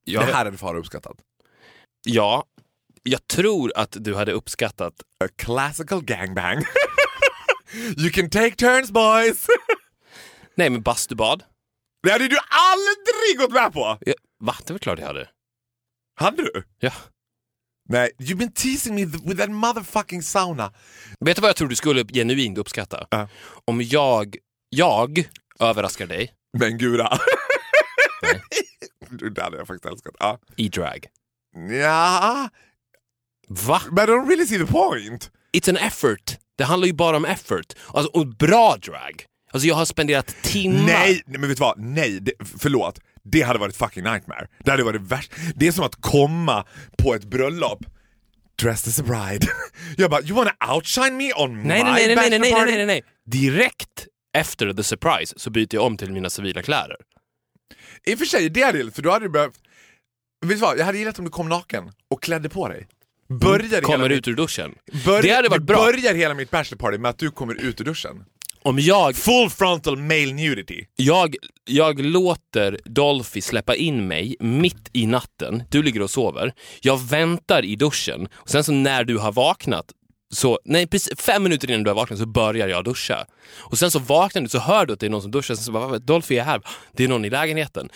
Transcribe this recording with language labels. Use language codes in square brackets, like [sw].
[sv] Jag, det här hade far uppskattat. Ja, jag tror att du hade uppskattat [en] a classical gangbang. You can take turns, boys. [sv] Nej, men bastubad. Det hade du aldrig gått med på. Va? Det var klart jag hade. Hade du? Ja. [en] Nej, you've been teasing me with that motherfucking sauna. [sv] Vet du vad jag tror du skulle genuint uppskatta? Om jag överraskar dig. Men gura. Nej. Det hade jag faktiskt älskat. I drag. Ja. Va? [en] But I don't really see the point. It's an effort. [sv] Det handlar ju bara om effort. Alltså, och bra drag. Alltså jag har spenderat timmar. Nej, men vet du vad? Nej, förlåt. Det hade varit [en] fucking nightmare. [sv] Det hade varit värst. Det är som att komma på ett bröllop [en] dressed as a bride. [sv] Jag bara, [en] you wanna outshine me on [sv] nej, [en] my [sv] nej, nej, [en] bachelor [sv] nej, nej, party? Nej, nej, nej. Direkt efter [en] the surprise [sv] så byter jag om till mina civila kläder. I och för sig, det är det. För då hade du behövt... Vet du vad? Jag hade gillat om du kom naken och klädde på dig. Börjar kommer ut ur duschen. Det hade varit bra. Börjar hela mitt bachelor party med att du kommer ut ur duschen. Om jag, [en] full frontal male nudity. [sv] Jag låter Dolphy släppa in mig mitt i natten. Du ligger och sover. Jag väntar i duschen. Och sen så när du har vaknat, så nej, precis 5 minuter innan du har vaknat, så börjar jag duscha. Och sen så vaknar du, så hör du att det är någon som duschar. Sen så bara, Dolphy är här. Det är någon i lägenheten.